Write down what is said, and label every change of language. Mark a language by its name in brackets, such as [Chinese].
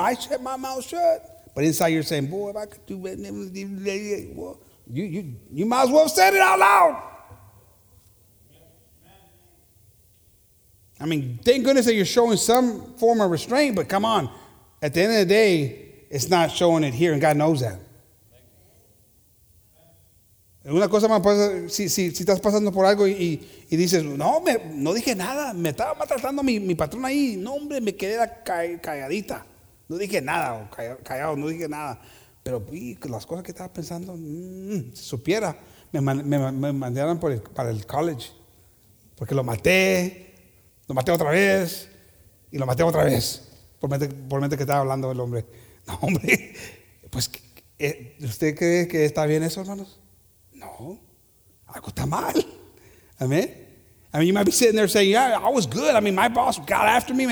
[English] I shut my mouth shut. But inside you're saying, boy, if I could do that, well, you might as well have said it out loud. I mean, thank goodness that you're showing some form of restraint, but come on. At the end of the day, it's not showing it here, and God knows that. [Spanish] Una cosa más pasa, si estás pasando por algo y dices, no dije nada, me estaba maltratando mi patrón ahí, no hombre, me quedé calladita, no dije nada, callado, no dije nada, pero uy, las cosas que estaba pensando, si supiera, me mandaron para el college, porque lo maté otra vez, y lo maté otra vez, por mente que estaba hablando el hombre, no hombre, pues, ¿usted cree que está bien eso, hermanos? No, algo está mal. Amén. [English] I mean, you might be sitting there saying, yeah, I was good. I mean, my boss got after me.